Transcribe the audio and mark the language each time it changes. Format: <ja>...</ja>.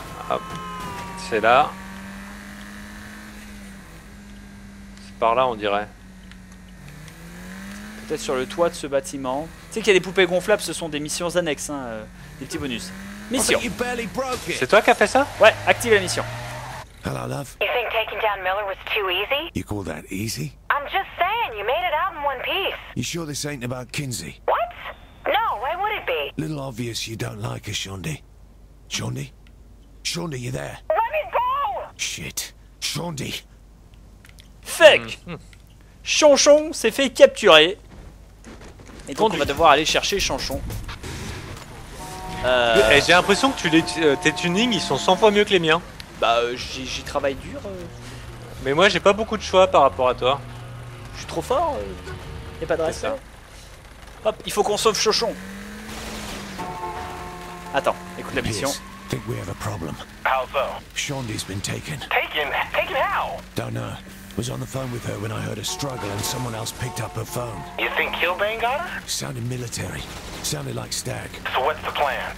<fr>Hop. C'est là. C'est par là, on dirait. Peut-être sur le toit de ce bâtiment. Tu sais qu'il y a des poupées gonflables, ce sont des missions annexes, hein, des petits bonus. Mission. C'est toi qui as fait ça ? Ouais, active la mission.</fr> <en>Hello, love. You think taking down Miller was too easy? You call that easy? I'm just saying, you made it out in one piece. You sure this ain't about Kinsey? What? No, why would it be? Little obvious you don't like her, Shondi. Shondi? Shondi, you there? Shit, Shondi. Fuck.</en> <fr>Chanchon s'est fait capturer. Et donc on va devoir aller chercher Chanchon. Et j'ai l'impression que tes tunings ils sont 100 fois mieux que les miens. Bah j'y travaille dur. Mais moi j'ai pas beaucoup de choix par rapport à toi. Je suis trop fort. Y'a pas de reste. Hop, il faut qu'on sauve Chanchon. Attends, écoute la mission.</fr> <en>I think we have a problem. How so? Shondi's been taken. Taken? Taken how? Don't know. Was on the phone with her when I heard a struggle and someone else picked up her phone. You think Kilbane got her? Sounded military. Sounded like Stag. So what's the plan?</en>